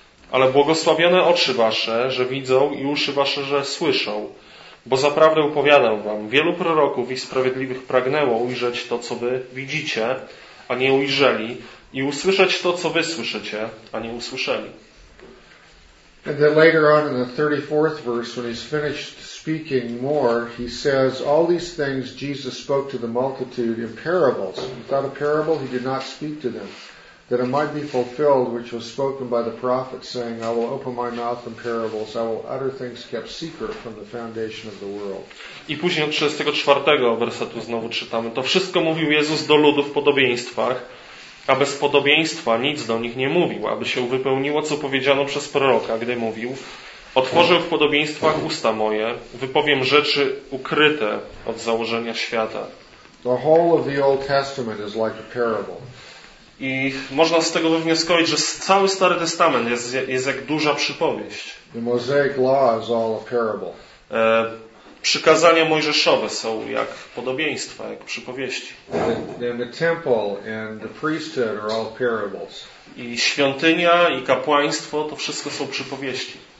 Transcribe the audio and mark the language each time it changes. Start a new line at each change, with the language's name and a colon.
Polish: Ale błogosławione oczy wasze, że widzą i uszy wasze, że słyszą. Bo zaprawdę opowiadam wam, wielu proroków i sprawiedliwych pragnęło ujrzeć to, co wy widzicie, a nie ujrzeli, i usłyszeć to, co wy słyszycie, a nie usłyszeli.
English: And then later on in the 34th verse, when he's finished speaking more, he says, all these things Jesus spoke to the multitude in parables. Without a parable, he did not speak to them, that it might be fulfilled, which was spoken by the prophet, saying, I will open my mouth in parables, I will utter things kept secret from the foundation of the world.
Polish: I później od 34 wersetu znowu czytamy, to wszystko mówił Jezus do ludu w podobieństwach, a bez podobieństwa nic do nich nie mówił, aby się wypełniło, co powiedziano przez proroka, gdy mówił, otworzę w podobieństwach usta moje, wypowiem rzeczy ukryte od założenia świata.
English: The whole of the Old Testament is like a parable.
Polish: I można z tego wywnioskować, że cały Stary Testament jest jak duża przypowieść.
English: The Mosaic Law is all a parable.
Polish: Przykazania mojżeszowe są jak podobieństwa, jak przypowieści.
English: The temple and the priesthood are all parables.
Polish: I świątynia i kapłaństwo to wszystko są przypowieści.